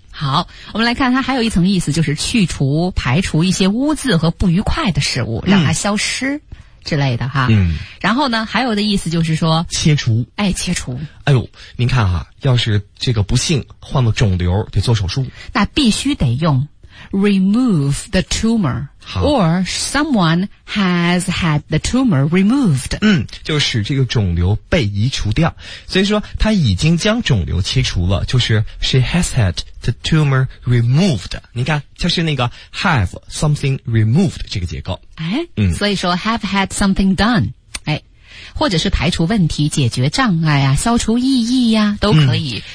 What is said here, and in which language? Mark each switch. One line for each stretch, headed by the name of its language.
Chinese: 好，我们来看它还有一层意思，就是去除、排除一些污渍和不愉快的事物，让它消失之类的哈。嗯。然后呢，还有的意思就是说切除。哎，切除。哎呦，您看哈，要是这个不幸患了肿瘤，得做手术，那必须得用。
English: Remove the tumor, or someone has had the tumor removed.
Chinese: 嗯，就使这个肿瘤被移除掉。所以说，他已经将肿瘤切除了，就是
English: she has had the tumor removed.
Chinese: 你看，就是那个
English: have something removed
Chinese: 这个结构。哎，嗯，所以说
English: have had something done。
Chinese: 或者是排除问题、解决障碍啊、消除异议呀、啊，都可以。